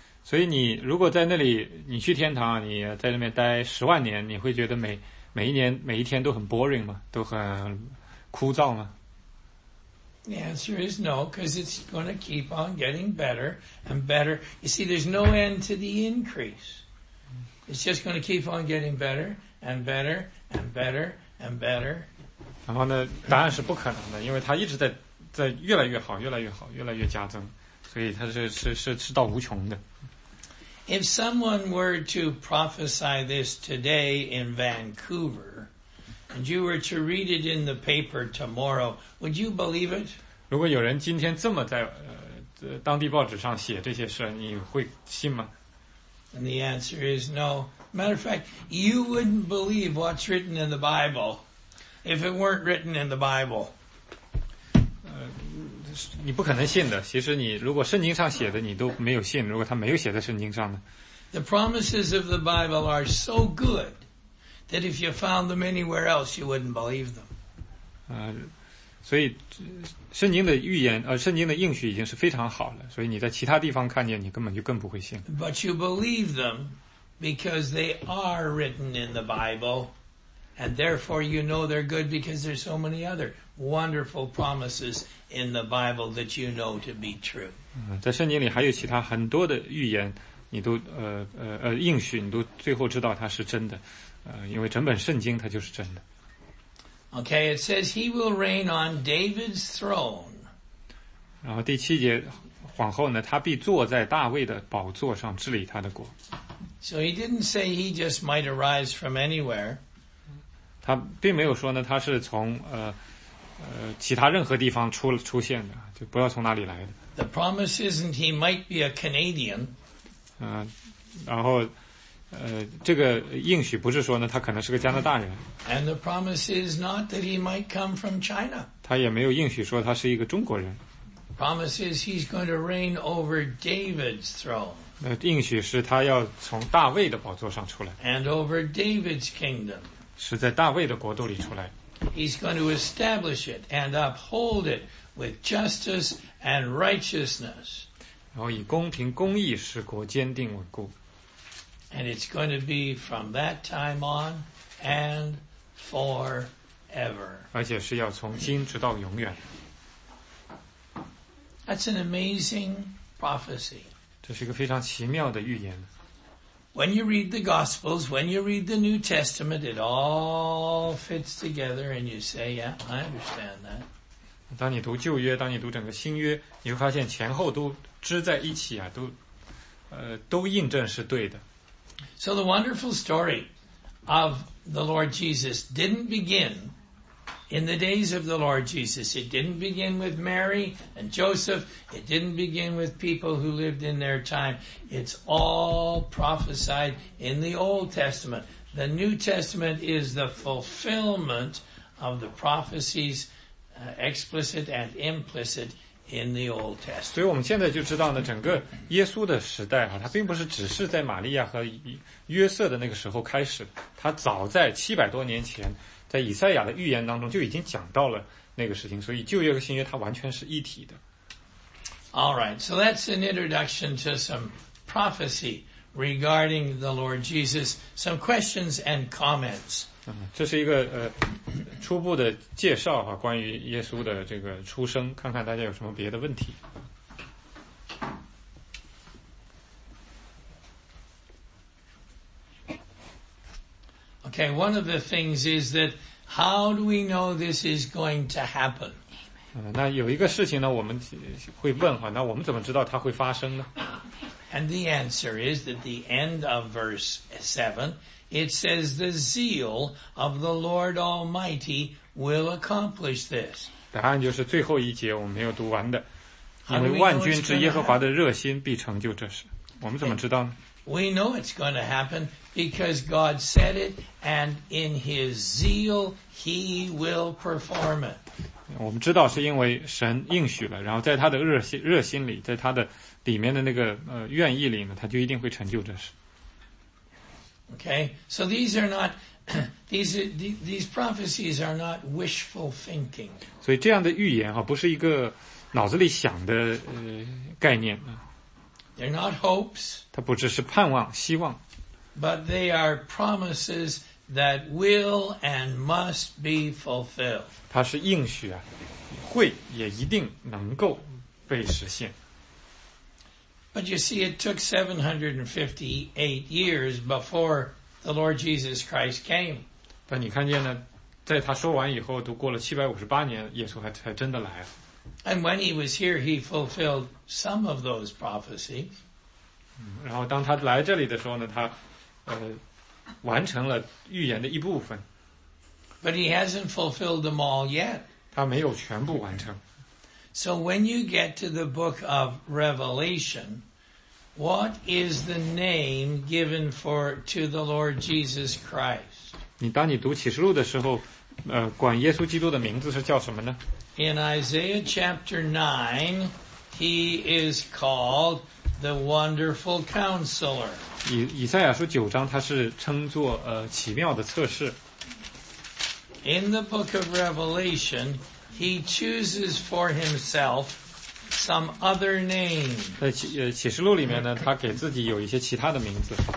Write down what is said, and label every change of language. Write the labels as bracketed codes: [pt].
[zh] 所以你如果在那里你去天堂你在那边待十万年你会觉得每一天都很 boring 吗都很枯燥吗 [en] The answer is no, because it's going to keep on getting better and better. You see, there's no end to the increase. It's just going to keep on getting better and better and better. And better. [zh] 然后呢答案是不可能的因为它一直在越来越好越来越好越来越加增所以它是到无穷的。 [en] If someone were to prophesy this today in Vancouver, and you were to read it in the paper tomorrow, would you believe it? [zh] 如果有人今天这么在当地报纸上写这些事你会信吗 [en] And the answer is no. Matter of fact, you wouldn't believe what's written in the Bible if it weren't written in the Bible. [zh] 你不可能信的。其实你如果圣经上写的，你都没有信。如果他没有写在圣经上呢 [en] ？The promises of the Bible are so good that if you found them anywhere else, you wouldn't believe them. [zh] 所以圣经的预言，圣经的应许已经是非常好了。所以你在其他地方看见，你根本就更不会信。 [en] But you believe them. Because they are written in the Bible, and therefore you know they're good because there's so many other wonderful promises in the Bible that you know to be true. [zh] 在圣经里还有其他很多的预言，你都应许，你都最后知道它是真的，因为整本圣经它就是真的。 [en] Okay, it says he will reign on David's throne. [zh] 然后第七节，皇后呢，她必坐在大卫的宝座上治理他的国。 [en] So he didn't say he just might arise from anywhere. [zh] 他并没有说呢，他是从其他任何地方出现的，就不知道从哪里来的。 [en] The promise isn't he might be a Canadian. [zh] 然后这个应许不是说呢，他可能是个加拿大人。 [en] And the promise is not that he might come from China. [zh] 他也没有应许说他是一个中国人。 [en] Promise is he's going to reign over David's throne. [zh] 应许是他要从大卫的宝座上出来 [en] And over David's kingdom [zh] 是在大卫的国度里出来 [en] He's going to establish it and uphold it with justice and righteousness [zh] 然后以公平公义使国坚定稳固 [en] And it's going to be from that time on and forever [zh] 而且是要从今直到永远 [en] That's an amazing prophecy [zh] 这是一个非常奇妙的预言。 [en] When you read the Gospels, when you read the New Testament, it all fits together, and you say, "Yeah, I understand that." [zh] 当你读旧约，当你读整个新约，你会发现前后都织在一起啊，都印证是对的。 [en] So the wonderful story of the Lord Jesus didn't begin in the days of the Lord Jesus. It didn't begin with Mary and Joseph. It didn't begin with people who lived in their time. It's all prophesied in the Old Testament. The New Testament is the fulfillment of the prophecies, explicit and implicit in the Old Testament. [zh] 所以我们现在就知道呢，整个耶稣的时代啊，它并不是只是在玛利亚和约瑟的那个时候开始，它早在700多年前在以赛亚的预言当中就已经讲到了那个事情，所以旧约和新约它完全是一体的。 [en] All right, so that's an introduction to some prophecy regarding the Lord Jesus. Some questions and comments. [zh] 这是一个初步的介绍哈，关于耶稣的这个出生，看看大家有什么别的问题。 [en] Okay, one of the things is that how do we know this is going to happen? [zh] 那有一个事情呢，我们会问哈，那我们怎么知道它会发生呢 [en] ？And the answer is that the end of verse 7, it says the zeal of the Lord Almighty will accomplish this. [zh] 答案就是最后一节我们没有读完的，因为万军之耶和华的热心必成就这事。我们怎么知道呢 [en] We know it's going to happen because God said it, and in His zeal, He will perform it. [zh] 我们知道是因为神应许了，然后在他的热心里，在他的里面的那个愿意里呢，他就一定会成就这事。 [en] Okay, so these are not these prophecies are not wishful thinking. [zh] 所以这样的预言啊，不是一个脑子里想的概念啊。 [en] They're not hopes. [zh] 它不只是盼望、希望。 [en] But they are promises that will and must be fulfilled. [zh] 它是应许啊，会也一定能够被实现。 [en] But you see, it took 758 years before the Lord Jesus Christ came. [zh] 但你看见呢，在他说完以后，都过了758年，耶稣还真的来了。 [en] And when he was here, he fulfilled some of those prophecies. [zh] 然后当他来这里的时候呢，他完成了预言的一部分。 [en] But he hasn't fulfilled them all yet. [zh] 他没有全部完成。 [en] So when you get to the book of Revelation, what is the name given for to the Lord Jesus Christ? [zh] 你当你读启示录的时候，管耶稣基督的名字是叫什么呢？ [en] In Isaiah chapter 9, he is called the Wonderful Counselor. [zh] 以赛亚书九章，他是称作奇妙的策士。 [en] In the book of Revelation, he chooses for himself some other name. [zh] 在启示录里面呢，他给自己有一些其他的名字。